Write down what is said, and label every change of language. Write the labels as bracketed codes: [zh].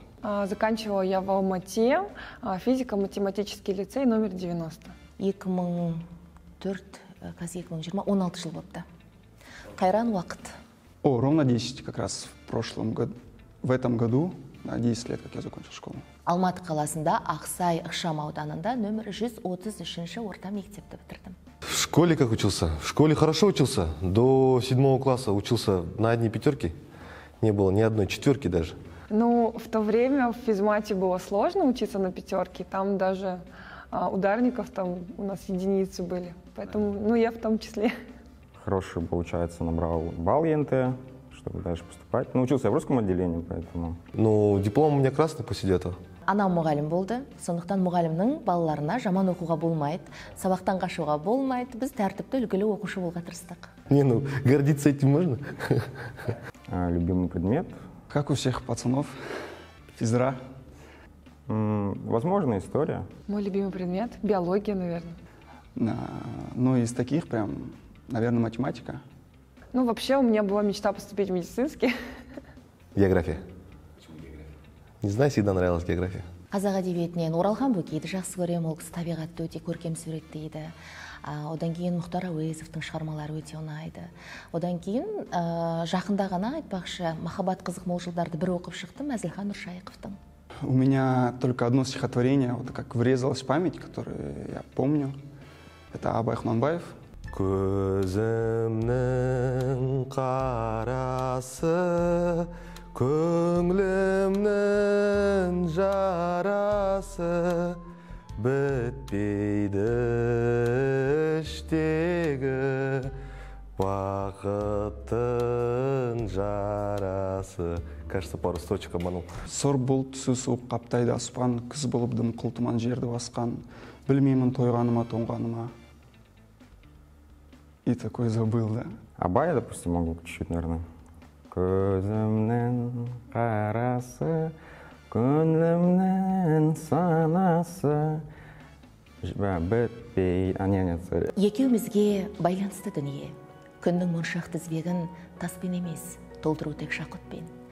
[ru] Заканчивала я в Алмате, физико-математический лицей номер 90. [kk] 2004, каз 2020, 16 жыл бопты. Кайран уақыт. [ru] О, ровно 10 как раз в прошлом году, в этом году, 10 лет, как я закончил школу. [kk] Алматы қаласында Ақсай ықшам ауданында номер 133-ші орта мектепті бітірдім. [ru] В школе как учился? В школе хорошо учился. До 7 класса учился на одни пятерки. Не было ни одной четверки даже. Ну, в то время в физмате было сложно учиться на пятерке. Там даже ударников там у нас единицы были. Поэтому, ну, я в том числе. Хороший, получается, набрал балл ЕНТ, чтобы дальше поступать. Ну, учился я в русском отделении, поэтому... Ну, диплом у меня красный после этого. [kk] Ана мұғалім болды, сондықтан мұғалімнің балаларына жаман оқуға болмайды, сабақтан қашуға болмайды, біз тәртіпті үлгілі оқушы болға тырыстық. [ru] Не, ну, гордиться этим можно? Любимый предмет? Как у всех пацанов? Физра? Возможно, история. Мой любимый предмет? Биология, наверное. Ну, из таких прям, наверное, математика. Ну, вообще, у меня была мечта поступить в медицинский. География. Не знаю, всегда нравилась география. [kk] Қазақ әдебиетінен оралған бөкейді жақсы көрем, ол кісі табиғатты өте көркем суреттейді. Одан кейін Мұхтар Әуезовтің шығармалары өте ұнайды. Одан кейін жақында ғана айтпақшы, махаббат қызық мол жылдарды бір оқып шықты Мәзілхан Нұршайықовтың. [ru] У меня только одно стихотворение, вот как врезалась память, которую я помню. Это Абай Құнанбаев. [kk] Көзімнің қарасы көңілімнің жарасы бітпейді іштегі бақыттың жарасы. [ru] Кажется, пару строчек обманул. [kk] Сор болып түсі суық қаптайды аспан, күз болып дымқыл тұман жерді басқан, білмеймін тойғаныма тоңғаныма. [ru] И такой забыл, да? Абай, допустим, могу чуть-чуть, наверное. [kk] Көзімнің қарасы, көңілімнің санасы, бітпей, сөре. Екеумізге байланысты дүние, күннің моншақ тізбегін таспен емес, толтыру тек шақұтпен.